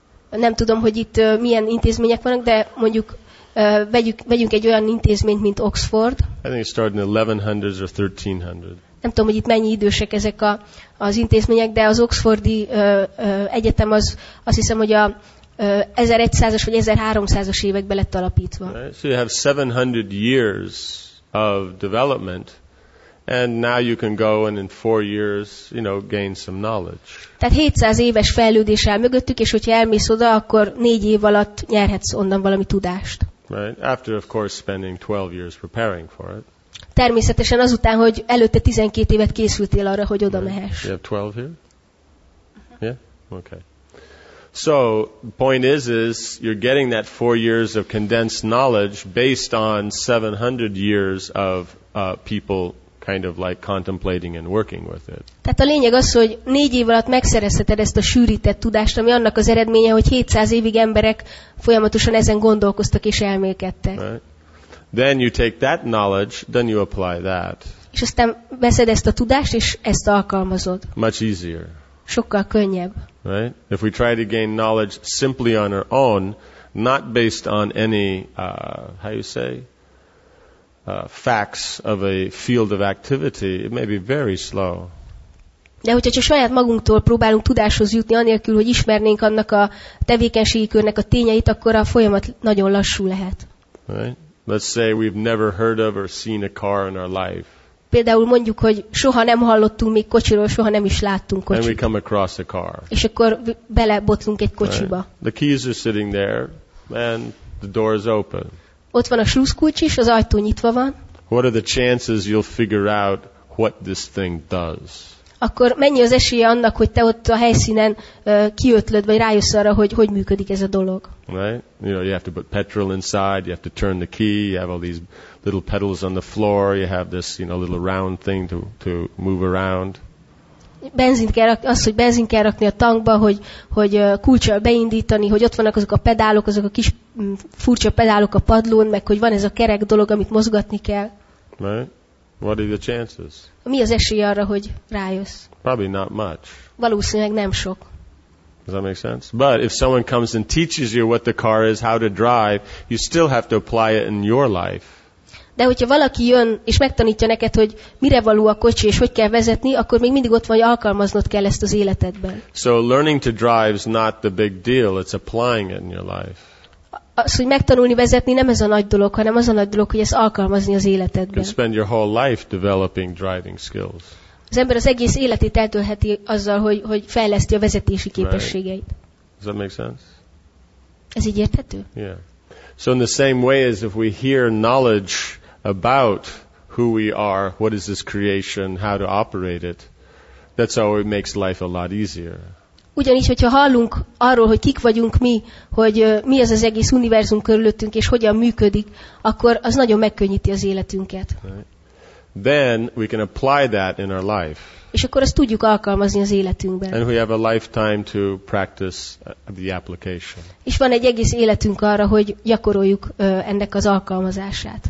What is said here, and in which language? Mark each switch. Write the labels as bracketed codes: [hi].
[hu] Nem tudom, hogy itt milyen intézmények vannak, de mondjuk vegyünk egy olyan intézményt, mint Oxford. [en] I think it started in 1100s or 1300. [hu] Nem tudom, hogy itt mennyi idősek ezek az intézmények, de az oxfordi egyetem az, azt hiszem, hogy a 1100-as vagy 1300-as évekbe lett alapítva. [en] Right. So you have 700 years of development, and now you can go and in 4 years, you know, gain some knowledge. [hu] Tehát 700 éves fejlődés el mögöttük, és hogyha elmész oda, akkor 4 év alatt nyerhetsz onnan valami tudást. [en] Right. After, of course, spending 12 years preparing for it. [hu] Természetesen azután, hogy előtte 12 évet készültél arra, hogy oda mehess. [en] You have 12 here? Yeah? Okay. So, the point is you're getting that 4 years of condensed knowledge based on 700 years of people kind of like contemplating and working with it. [hu] Tehát a lényeg az, hogy 4 év alatt megszerezheted ezt a sűrített tudást, ami annak az eredménye, hogy 700 évig emberek folyamatosan ezen gondolkoztak és elmélkedtek. [en] Right. Then you take that knowledge, then you apply that. [hu] És aztán veszed ezt a tudást, és ezt alkalmazod. [en] Much easier. [hu] Sokkal könnyebb. [en] Right? If we try to gain knowledge simply on our own, not based on any, how you say, facts of a field of activity, it may be very slow. [hu] De hogyha csak saját magunktól próbálunk tudáshoz jutni, anélkül, hogy ismernénk annak a tevékenységi körnek a tényeit, akkor a folyamat nagyon lassú lehet. [en] Right? Let's say we've never heard of or seen a car in our life. [hu] Például mondjuk, hogy soha nem hallottunk még kocsiról, soha nem is láttunk kocsit. [en] And we come across a car. [hu] És akkor belebotlunk egy kocsiba. [en] Right. The keys are sitting there, and the door is open. [hu] Ott van a sluszkulcs is, az ajtó nyitva van. [en] What are the chances you'll figure out what this thing does? [hu] Akkor mennyi az esélye annak, hogy te ott a helyszínen kiötlöd, vagy rájössz arra, hogy hogy működik ez a dolog. [en] Right? You know, you have to put petrol inside, you have to turn the key, you have all these little pedals on the floor, you have this, you know, little round thing to move around. [hu] Benzint kell rakni, az, hogy benzint kell rakni a tankba, hogy kulcsal beindítani, hogy ott vannak azok a pedálok, azok a kis furcsa pedálok a padlón, meg hogy van ez a kerek dolog, amit mozgatni kell. [en] Right? What are the chances? [hu] Mi az esély arra, hogy rájössz? [en] Probably not much. [hu] Valószínűleg nem sok. [en] Does that make sense? But if someone comes and teaches you what the car is, how to drive, you still have to apply it in your life. [hu] De hogyha valaki jön és megtanítja neked, hogy mire való a kocsi és hogy kell vezetni, akkor még mindig ott van, hogy alkalmaznod kell ezt az életedben. [en] So learning to drive is not the big deal, it's applying it in your life. [hu] Az, hogy megtanulni vezetni nem ez a nagy dolog, hanem az a nagy dolog, hogy ezt alkalmazni az életedben. [en] You spend your whole life developing driving skills. [hu] Az ember az egész életét eltöltheti azzal, hogy fejleszti a vezetési képességeit. [en] Right. Does that make sense? [hu] Ez így érthető? [en] Yeah. So in the same way as if we hear knowledge about who we are, what is this creation, how to operate it, that's how it makes life a lot easier. [hu] Ugyanis, hogyha hallunk arról, hogy kik vagyunk mi, hogy mi az az egész univerzum körülöttünk, és hogyan működik, akkor az nagyon megkönnyíti az életünket. [en] Right. Then we can apply that in our life. [hu] És akkor azt tudjuk alkalmazni az életünkben. [en] And we have a lifetime to practice the application. [hu] És van egy egész életünk arra, hogy gyakoroljuk ennek az alkalmazását.